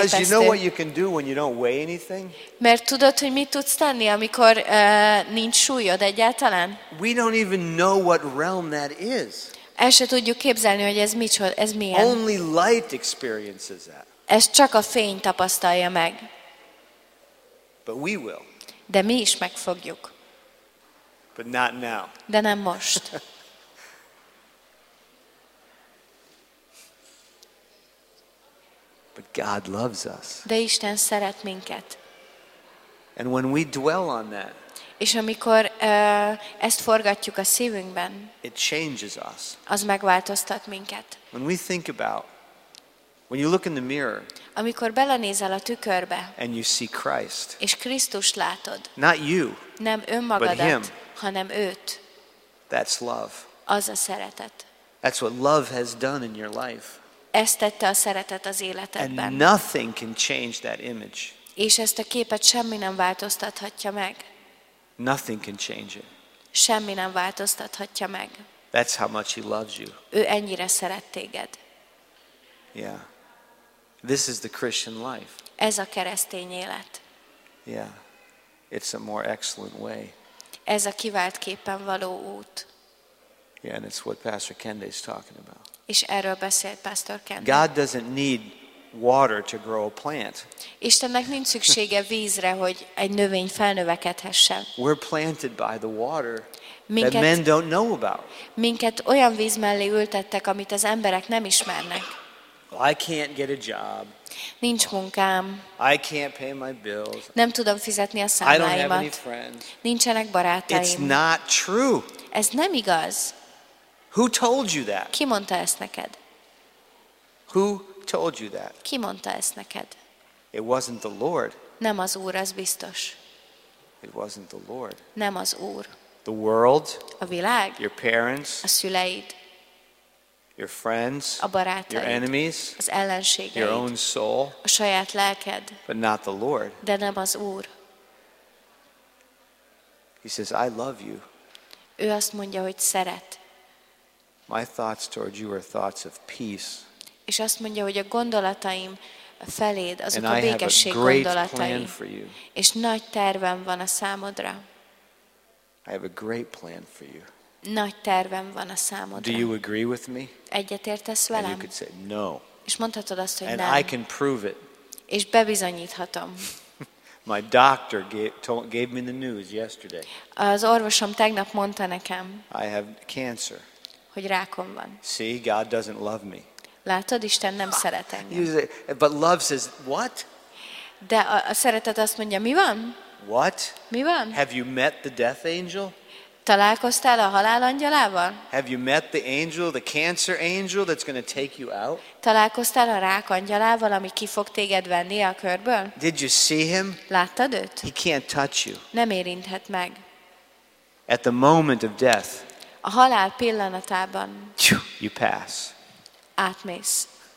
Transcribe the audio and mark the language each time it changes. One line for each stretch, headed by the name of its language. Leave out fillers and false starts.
English: Because you know what you can do when you don't weigh anything?
Hungarian: Mert tudod, hogy mit tudsz tenni, amikor nincs súlyod egyáltalán?
English: We don't even know what realm that is.
Hungarian: El se tudjuk képzelni, hogy ez micsod, ez milyen.
English: Only light experiences that.
Hungarian: Ez csak a fény tapasztalja meg.
English: But we will.
Hungarian: De mi is megfogjuk.
English: But not now.
Hungarian: De nem most.
English: But God loves us.
Hungarian: De Isten szeret minket.
English: And when we dwell on that.
Hungarian: És amikor ezt forgatjuk a szívünkben.
English: It changes us.
Hungarian: Az megváltoztat minket.
English: When we think about. When you look in the mirror.
Hungarian: Amikor belenézel a tükörbe.
English: And you see Christ.
Hungarian: És Krisztust látod.
English: Not you.
Hungarian: Nem önmagadat,
English: but him,
Hungarian: hanem őt.
English: That's love.
Hungarian: Az a szeretet.
English: That's what love has done in your life.
Hungarian: Ezt tette a szeretet az életedben.
English: And nothing can change that image.
Hungarian: És ezt a képet semmi nem változtathatja meg.
English: Nothing can change it.
Hungarian: Semmi nem változtathatja meg.
English: That's how much he loves you.
Hungarian: Ő ennyire szeret téged.
English: Yeah. This is the Christian life.
Hungarian: Ez a keresztény élet.
English: Yeah. It's a more excellent way.
Hungarian: Ez a kivált képen való út.
English: Yeah, and it's what Pastor Kende is talking about.
Hungarian: És erről beszélt Pastor Kende.
English: God doesn't need water to grow a plant.
Hungarian: Istennek nincs szüksége vízre, hogy egy növény felnövekedhessen.
English: We're planted by the water that men don't know about.
Hungarian: Minket olyan víz mellé ültettek, amit az emberek nem ismernek.
English: I can't get a job.
Hungarian: Nincs munkám.
English: I can't pay my bills.
Hungarian: Nem tudom fizetni a számláimat.
English: I don't have any friends.
Hungarian: Nincsenek barátaim.
English: It's not true.
Hungarian: Ez nem igaz.
English: Who told you that?
Hungarian: Ki mondta ezt neked?
English: Who told you that?
Hungarian: Ki mondta ezt neked?
English: It wasn't the Lord.
Hungarian: Nem az Úr, az biztos.
English: It wasn't the Lord.
Hungarian: Nem az Úr.
English: The world.
Hungarian: A világ.
English: Your parents.
Hungarian: A szüleid.
English: Your friends,
Hungarian: a barátaid,
English: your enemies,
Hungarian: az ellenségeid,
English: your own soul,
Hungarian: a saját lelked,
English: but not the Lord.
Hungarian: De nem az Úr.
English: He says, I love you.
Hungarian: Ő azt mondja, hogy szeret.
English: My thoughts toward you are thoughts of peace.
Hungarian: És azt mondja, hogy a gondolataim feléd, azok
English: and
Hungarian: a békesség gondolataim.
English: Plan for you.
Hungarian: És nagy tervem van a számodra.
English: I have a great plan for you.
Hungarian: Nagy tervem van a számodra.
English: Do you agree with me?
Hungarian: Egyetértesz velem?
English: And you could say, no.
Hungarian: És mondhatod azt, hogy
English: and
Hungarian: nem.
English: I can prove it.
Hungarian: És bebizonyíthatom.
English: My doctor gave me the news yesterday.
Hungarian: Az orvosom tegnap mondta nekem.
English: I have cancer.
Hungarian: Hogy rákom van.
English: See, God doesn't love me.
Hungarian: Látod, Isten nem szeret engem.
English: But love says, what?
Hungarian: De a szeretet azt mondja, mi van?
English: What?
Hungarian: Mi van?
English: Have you met the death angel?
Hungarian: Találkoztál a halálangyalával?
English: Have you met the angel, the cancer angel that's going to take you out?
Hungarian: Találkoztál a rákangyalával, ami ki fog téged venni a körből?
English: Did you see him?
Hungarian: Láttad őt?
English: He can't touch you.
Hungarian: Nem érinthet meg.
English: At the moment of death.
Hungarian: A halál pillanatában.
English: You pass.
Hungarian: Átmész.